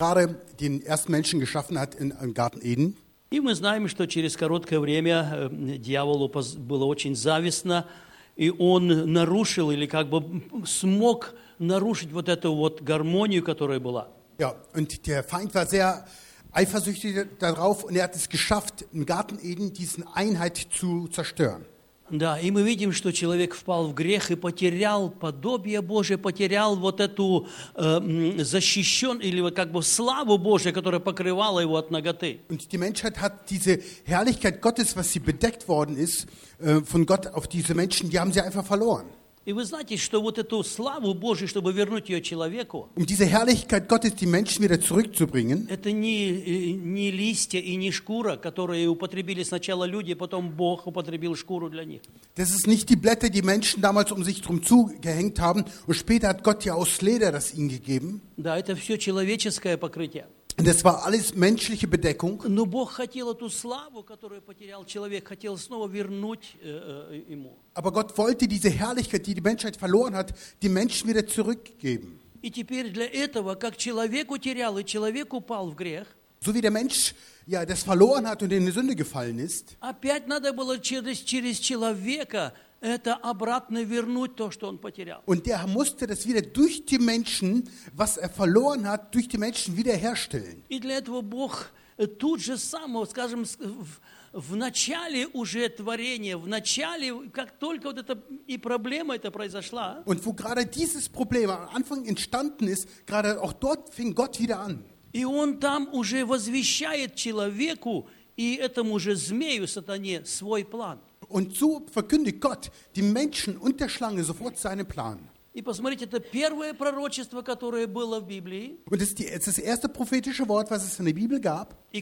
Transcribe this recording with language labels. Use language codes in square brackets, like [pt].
[de] Gerade den ersten Menschen geschaffen hat in Garten Eden. [ru] И мы знаем, что через короткое время дьяволу было очень завистно, и он нарушил или как бы смог нарушить вот эту вот гармонию, которая была. [de] Ja, und der Feind war sehr eifersüchtig darauf und hat es geschafft, im Garten Eden diesen Einheit zu zerstören. [ru] Да, и мы видим, что человек впал в грех и потерял подобие Божие, потерял вот эту защищен или вот как бы славу Божию, которая покрывала его от наготы. [de] Und die Menschheit hat diese Herrlichkeit Gottes, was sie bedeckt worden ist von Gott auf diese Menschen, die haben sie einfach verloren. [ru] И вы знаете, что вот эту славу Божию, чтобы вернуть ее человеку, [de] diese Herrlichkeit Gottes die Menschen wieder zurückzubringen, [ru] это не листья и не шкура, которые употребили сначала люди, потом Бог употребил шкуру для них. [de] Das ist nicht die Blätter, die Menschen damals um sich drum zugehängt haben, und später hat Gott ja aus Leder das ihnen gegeben. [ru] Да, это все человеческое покрытие. [de] Das war alles menschliche Bedeckung. [ru] Но Бог хотел эту славу, которую потерял человек, хотел снова вернуть ему. [de] Aber Gott wollte diese Herrlichkeit, die die Menschheit verloren hat, die Menschen wieder zurückgeben. [ru] И теперь для этого, как человек утерял и человек упал в грех, [de] so wie der Mensch ja das verloren hat und in die Sünde gefallen ist, [ru] опять надо было через человека это обратно вернуть то, что он потерял. [de] Und der musste das wieder durch die Menschen, was verloren hat, durch die Menschen wiederherstellen. [ru] И для этого Бог тут же самого, скажем, в начале уже творения, в начале, как только вот это и проблема эта произошла. [de] Und wo gerade dieses Problem am Anfang entstanden ist, gerade auch dort fing Gott wieder an. [ru] И он там уже возвещает человеку и этому же змею, сатане, свой план. [de] Und so verkündigt Gott dem Menschen und der Schlange sofort seinen Plan. Und es ist das erste prophetische Wort, was es in der Bibel gab.